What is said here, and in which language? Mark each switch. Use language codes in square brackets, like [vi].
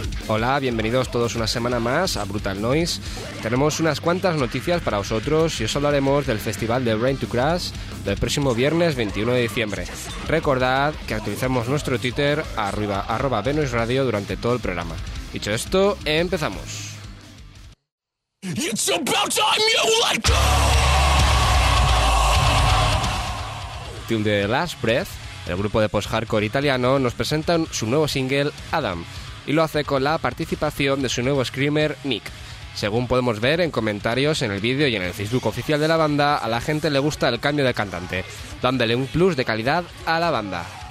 [es] Hola, bienvenidos todos una semana más a Brutal Noise. Tenemos unas cuantas noticias para vosotros y os hablaremos del festival de Rain to Crash del próximo viernes 21 de diciembre. Recordad que actualizamos nuestro Twitter arroba Venus Radio durante todo el programa. Dicho esto, empezamos. [en] It's about time you let go. [es] Till the Last Breath, el grupo de post-hardcore italiano, nos presenta su nuevo single Adam, y lo hace con la participación de su nuevo screamer, Nick. Según podemos ver en comentarios, en el vídeo y en el Facebook oficial de la banda, a la gente le gusta el cambio de cantante, dándole un plus de calidad a la banda.